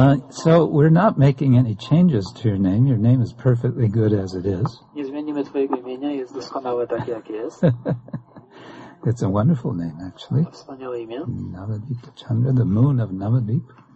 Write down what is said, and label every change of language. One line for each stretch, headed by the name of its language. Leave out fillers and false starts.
English: So we're not making any changes to your name. Your name is perfectly good as it is.
Polish: Nie zmienimy twojego imienia, jest doskonałe tak jak jest.
English: It's a wonderful name actually.
Polish: Wspaniałe imię.
English: Navadvipa Chandra, the moon of Navadvip.